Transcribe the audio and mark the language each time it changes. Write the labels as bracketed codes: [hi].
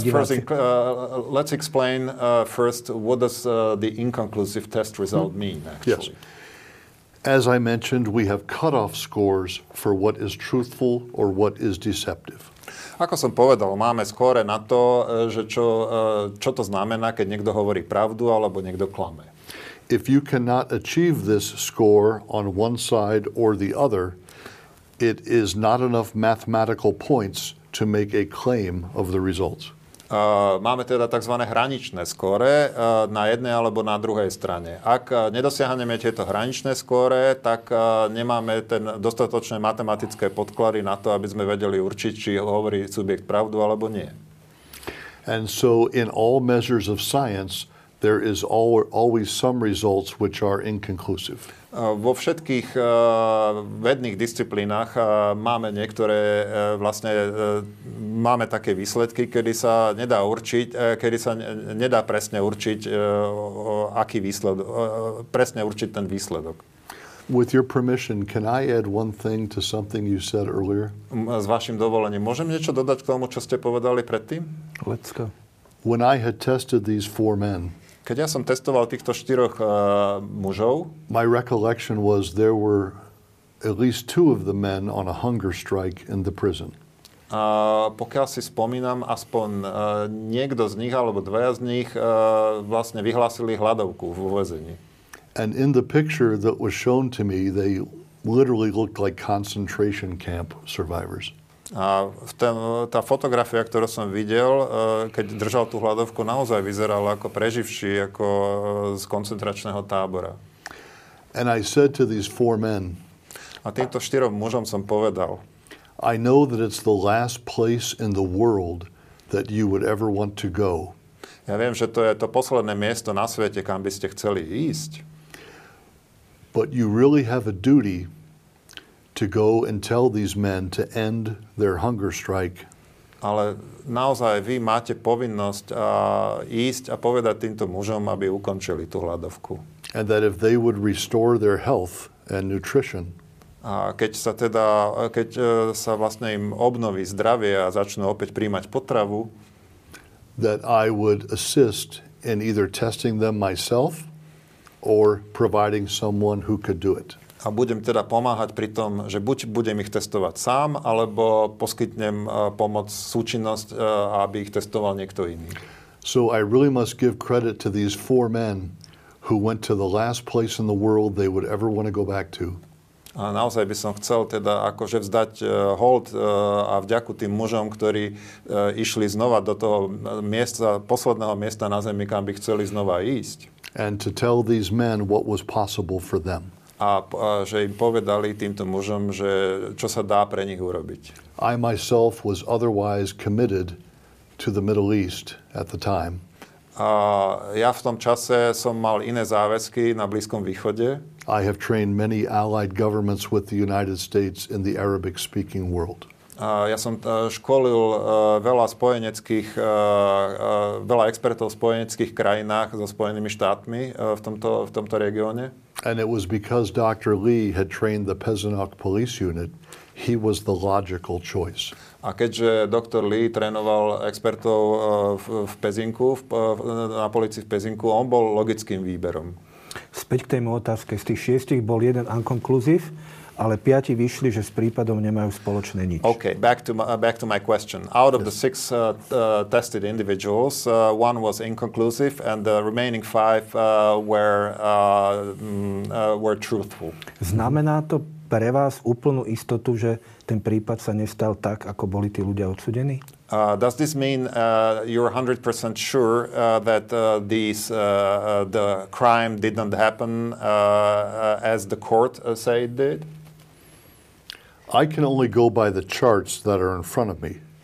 [en] let's explain first what does the inconclusive test result mean actually. Yes. As I mentioned, we have cutoff scores for what is truthful or what is deceptive. [sk] Ako som povedal, máme skóre na to, že čo to znamená, keď niekto hovorí pravdu alebo niekto klame. [en] If you cannot achieve this score on one side or the other, it is not enough mathematical points to make a claim of the results. [sk] Máme teda tzv. Hraničné skóre na jednej alebo na druhej strane. Ak nedosiahneme tieto hraničné skóre, tak nemáme ten dostatočné matematické podklady na to, aby sme vedeli určiť, či hovorí subjekt pravdu alebo nie. [en] And so in all measures of science, there is always some results which are inconclusive. [sk] Vo všetkých vedných disciplínach máme niektoré, vlastne máme také výsledky, kedy sa nedá určiť, kedy sa nedá presne určiť, aký výsledok, presne určiť ten výsledok. [en] With your permission, can I add one thing to something you said earlier? [sk] S vašim dovolením, môžem niečo dodať k tomu, čo ste povedali predtým? [en] Let's go. When I had tested these 4 men, [sk] keď ja som testoval týchto 4 mužov, [en] my recollection was there were at least 2 of the men on a hunger strike in the prison. [sk] Pokiaľ si spomínam, aspoň niekto z nich alebo dvaja z nich vlastne vyhlásili hladovku vo väzení. [en] And in the picture that was shown to me, they literally looked like concentration camp survivors. [sk] A tá fotografia, ktorú som videl, keď držal tú hladovku, naozaj vyzerala ako preživší, ako z koncentračného tábora. [en] And I said to these four men, [sk] a týmto štyrom mužom som povedal, [en] I know that it's the last place in the world that you would ever want to go. [sk] Ja viem, že to je to posledné miesto na svete, kam by ste chceli ísť. [en] But you really have a duty to go and tell these men to end their hunger strike. [sk] Ale naozaj vy máte povinnosť ísť a povedať týmto mužom, aby ukončili tú hladovku. [en] And that if they would restore their health and nutrition. [sk] A keď sa vlastne im obnoví zdravie a začnú opäť príjmať potravu, [en] that I would assist in either testing them myself or providing someone who could do it. [sk] A budem teda pomáhať pri tom, že buď budem ich testovať sám, alebo poskytnem pomoc, súčinnosť, aby ich testoval niekto iný. [en] So I really must give credit to these four men who went to the last place in the world they would ever want to go back to. [sk] A naozaj by som chcel teda akože vzdať hold a vďaku tým mužom, ktorí išli znova do toho miesta, posledného miesta na zemi, kam by chceli znova ísť. [en] And to tell these men what was possible for them. [sk] A že im povedali týmto mužom, že čo sa dá pre nich urobiť. [en] I myself was otherwise committed to the Middle East at the time. [sk] A ja v tom čase som mal iné záväzky na Blízkom východe. [en] I have trained many allied governments with the United States in the Arabic speaking world. [sk] A ja som školil veľa expertov v spojeneckých krajinách so Spojenými štátmi v tomto regióne. [en] And it was because Dr. Lee had trained the Pezenok police unit, he was the logical choice. [sk] A keďže Dr. Lee trénoval expertov v Pezinku, na polícii v Pezinku, on bol logickým výberom. Späť k tej otázke. Z tých šiestich bol jeden unconclusive, ale piati vyšli, že s prípadom nemajú spoločné nič. [en] Okay, back to my question. Out of yes. The six tested individuals, one was inconclusive and the remaining five were truthful. [sk] Znamená to pre vás úplnú istotu, že ten prípad sa nestal tak, ako boli tí ľudia odsúdení? [en] Does this mean you're 100% sure that the crime did not happen as the court said it did? I can only go by the charts that are in front of me.